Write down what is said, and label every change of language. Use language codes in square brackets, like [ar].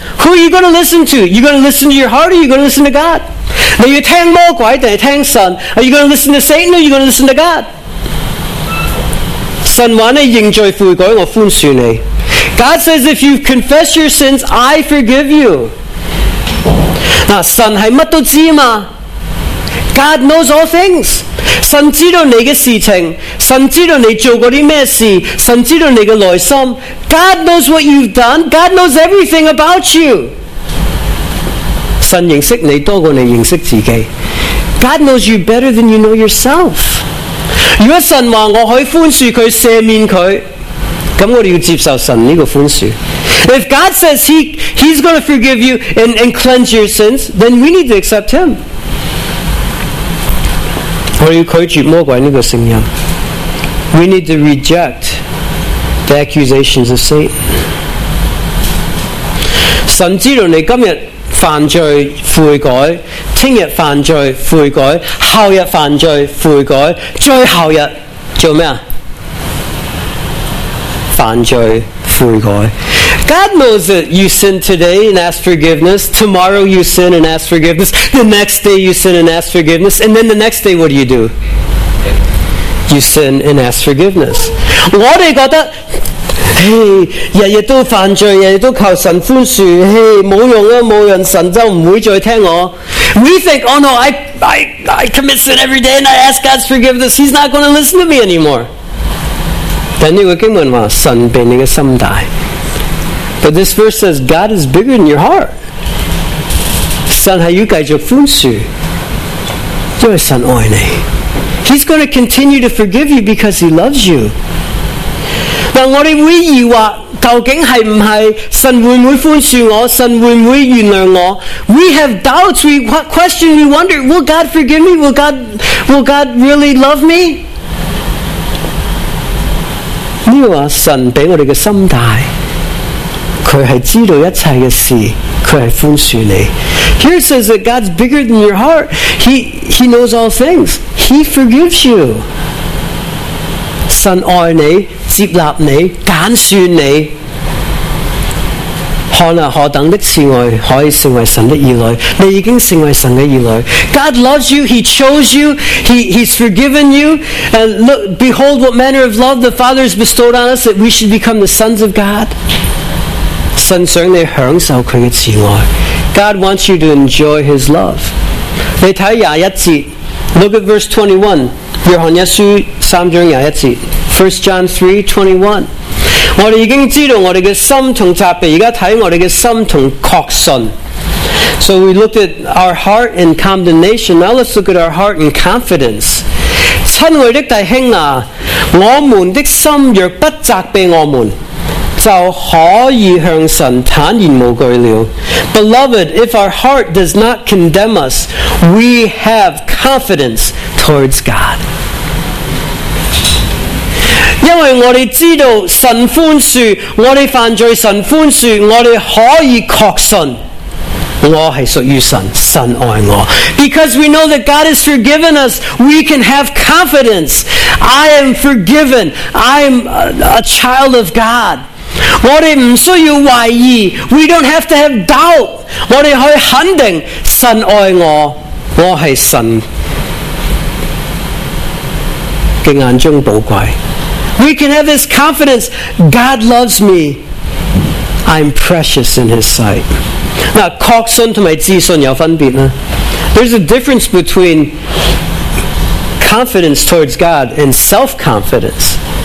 [en] Who are you going to listen to? You going to listen to your heart or you going to listen to God? [yue] 你要听魔鬼还是听神？ [en] Are you going to listen to Satan or you going to listen to God? [yue] 神说你认罪悔改，我宽恕你。 [en] God says, if you confess your sins, I forgive you. [yue] 那神是什么都知道吗？ [en] God knows all things. [yue] 神知道你的事情，神知道你做过什么事，神知道你的内心。 [en] God knows what you've done. God knows everything about you. [yue] 神认识你多过你认识自己。 [en] God knows you better than you know yourself. [yue] 如果神说我可以宽恕他，赦免他，咁我哋要接受神呢个宽恕。 [en] If God says he's going to forgive you and cleanse your sins, then we need to accept him. [yue] 我要拒绝魔鬼呢个声音。 [en] We need to reject the accusations of Satan. [yue] 神知道你今日犯罪悔改，听日犯罪悔改，后日犯罪悔改，最后日做咩啊？犯罪悔改。 [en] God knows that you sin today and ask forgiveness. Tomorrow you sin and ask forgiveness. The next day you sin and ask forgiveness. And then the next day, what do? You sin and ask forgiveness. [yue] 我哋觉得，日日都犯罪，日日都求神宽恕，冇用啊，冇用，神就唔会再听我。 [en] We think, oh no, I commit sin every day and I ask God's forgiveness. He's not going to listen to me anymore. [yue] 但这个经文说神比你的心大。 [en] But this verse says God is bigger than your heart. [yue] 神是要继续宽恕，因为神爱你。 [en] He's going to continue to forgive you because he loves you. [yue] 但我们会疑惑，究竟是不是神会不会宽恕我，神会不会原谅我？ [en] We have doubts, we question, we wonder, will God forgive me? Will God really love me? [yue] 这个话神比我们的心大，他是知道一切的事，他是宽恕你。 [en] Here it says that God's bigger than your heart. He knows all things. He forgives you. [yue] 神爱你，接纳你，拣选你，看啊，何等的慈爱，可以成为神的儿女。你已经成为神的儿女。 [en] God loves you. He chose you. He's forgiven you. And look, behold what manner of love the Father has bestowed on us that we should become the sons of God. [yue] 神想你享受他的慈爱。 [en] God wants you to enjoy his love. [yue] 你看21节。 [en] Look at verse 21. [yue] 约翰一书三章21节。 [en] 1 John 3, 21. [yue] 我们已经知道我们的心和责备，现在看我们的心和确信。 [en] So we looked at our heart in condemnation. Now let's look at our heart in confidence. [yue] 亲爱的弟兄啊，我们的心若不责备我们，就可以向神坦然无惧了。 [en] Beloved, if our heart does not condemn us, we have confidence towards God. [yue] 因为我们知道神宽恕我们犯罪，神宽恕我们可以确信我是属于神，神爱我。 [en] Because we know that God has forgiven us, we can have confidence. I am forgiven. I am a child of God. [yue] 我们不需要怀疑， [en] we don't have to have doubt. [yue] 我们可以肯定神爱我，我是神的眼中宝贵。 [en] We can have this confidence. God loves me. I'm precious in his sight. [yue] 那确信和自信有分别呢？ [en] There's a difference between confidence towards God and self-confidence.